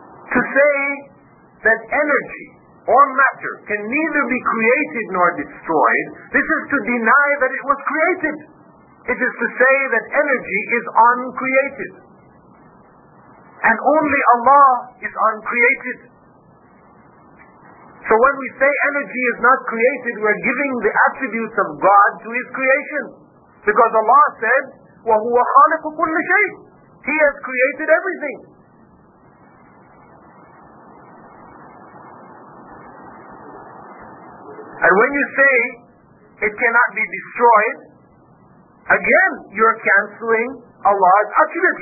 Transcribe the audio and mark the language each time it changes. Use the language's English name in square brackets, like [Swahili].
[English] To say that energy or matter can neither be created nor destroyed, this is to deny that it was created. It is to say that energy is uncreated. And only Allah is uncreated. So when we say energy is not created, we are giving the attributes of God to His creation. Because Allah said, [Arabic] وَهُوَ خَالِقُ كُلِّ شَيْءٍ. [English] He has created everything. And when you say it cannot be destroyed, again, you're canceling Allah's attribute.